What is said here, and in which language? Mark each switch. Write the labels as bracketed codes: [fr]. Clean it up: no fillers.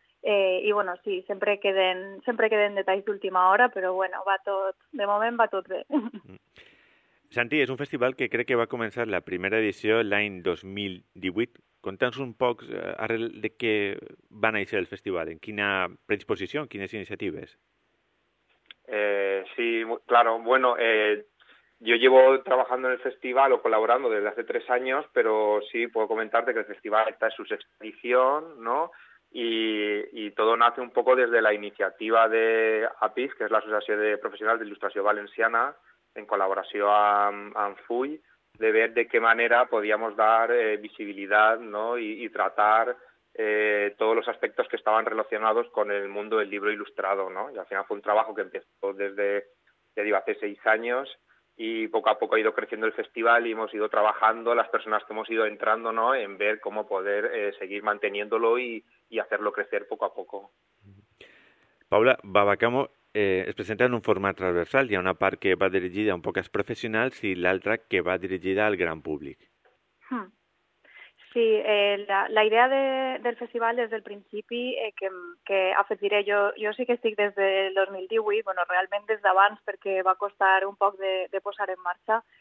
[ca] I bueno, sí, sempre queden detalls d'última hora, però bueno, va tot, de moment va tot bé. Santi, és un festival que crec que va començar la primera edició l'any 2018. Conta'ns un poc arrel de què va néixer el festival, en quina predisposició, en quines iniciatives. [es] Sí, claro. Bueno, yo llevo trabajando en el festival o colaborando desde hace 3 años, pero sí puedo comentarte que el festival está en su sexta edición, ¿no? Y todo nace un poco desde la iniciativa de APIF, que es la Asociación de Profesionales de Ilustración Valenciana, en colaboración a FUI, de ver de qué manera podíamos dar visibilidad, ¿no? y tratar todos los aspectos que estaban relacionados con el mundo del libro ilustrado, ¿no? Y al final fue un trabajo que empezó desde, ya digo, hace 6 años, y poco a poco ha ido creciendo el festival y hemos ido trabajando, las personas que hemos ido entrando, ¿no? en ver cómo poder seguir manteniéndolo y hacerlo crecer poco a poco. [ca] Paula Babacamo, es presenta en un format transversal. Hi ha una part que va dirigida a un poc als professionals i l'altra que va dirigida al gran públic. Sí, la idea del festival des del principi, que afegiré, jo sí que estic des del 2018, bueno, realment des d'abans, perquè va costar un poc de posar en marxa.